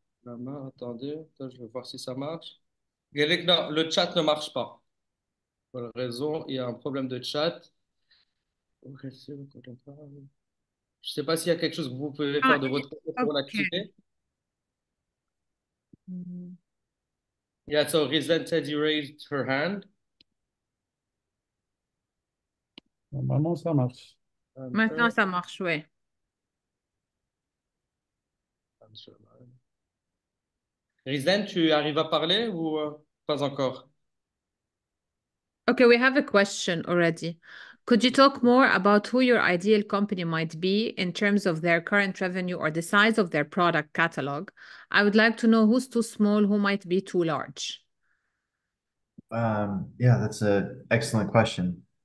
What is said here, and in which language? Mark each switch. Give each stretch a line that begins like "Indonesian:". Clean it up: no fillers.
French: La main, attendez, je vais voir si ça marche. Non, le chat ne marche pas. Pour la raison, il y a un problème de chat. Je ne sais pas s'il y a quelque chose que vous pouvez faire de votre côté pour l'activer.
English: Yeah, so Rizan said you raised her hand.
French: Normalement, ça marche. Un Maintenant, peu. ça marche, oui. Rizan, tu arrives à parler ou pas encore?
English: Okay, we have a question already. Could you talk more about who your ideal company might be in terms of their current revenue or the size of their product catalog? I would like to know who's too small, who might be too large. Yeah, that's an excellent question.